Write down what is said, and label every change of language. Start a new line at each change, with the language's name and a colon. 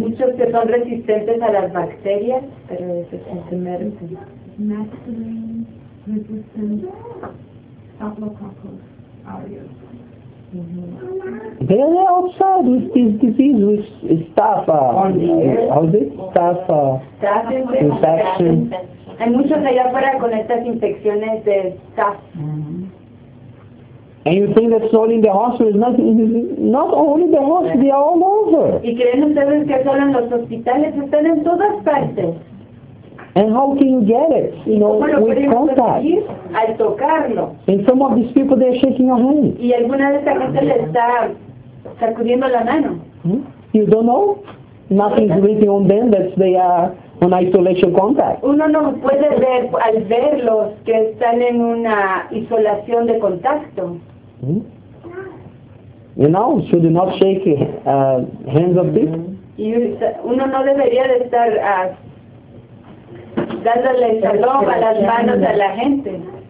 Spanish: Muchos que son resistentes a las bacterias, pero resistente a medicine. Mm-hmm.
English: They are outside with this disease, with staff. How is it? Staff infection.
Spanish: Hay muchos allá afuera con estas infecciones de staff.
English: And you think that's only in the hospital? It's not only in the hospital, they are all over.
Spanish: Y creen ustedes que solo en los hospitales, están en todas partes.
English: And how can you get it, you know, with contact?
Spanish: Al tocarlo.
English: And some of these people, they're shaking your hand.
Spanish: Y alguna de esta gente le está sacudiendo la mano.
English: You don't know? Nothing's written on them that they are on isolation contact.
Spanish: Uno no puede ver al verlos que están en una isolación de contacto.
English: You know, should you not shake hands of people?
Spanish: Y uno no debería de estar dándole salón a las manos a la gente.